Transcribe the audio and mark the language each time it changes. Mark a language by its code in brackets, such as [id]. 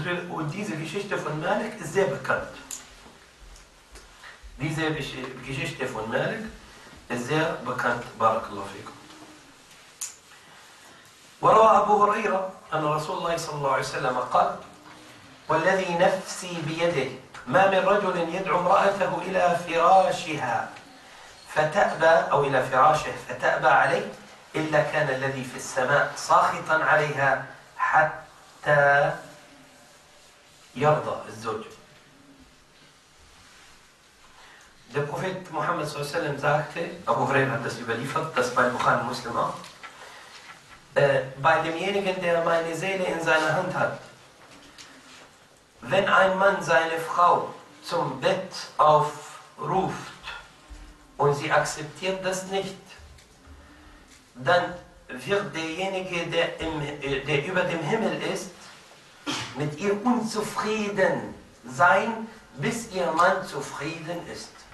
[de] Und diese Geschichte von Malik ist sehr bekannt. Diese Geschichte von Malik ist sehr bekannt, Barakallahu fikum. [ar] وروى أبو هريرة أن رسول الله صلى الله عليه وسلم قال والذي نفسي بيده ما من رجل يدعو امرأته إلى فراشها فتأبى أو إلى فراشه فتأبى عليه إلا كان الذي في السماء ساخطا عليها حتى يرضى الزوج. [de] Der Prophet Muhammad صلى الله عليه وسلم sagte, Abu Hurairah hat das überliefert, das bei Bukhari Muslima, bei demjenigen, der meine Seele in seiner Hand hat. Wenn ein Mann seine Frau zum Bett aufruft und sie akzeptiert das nicht, dann wird derjenige, der über dem Himmel ist, mit ihr unzufrieden sein, bis ihr Mann zufrieden ist.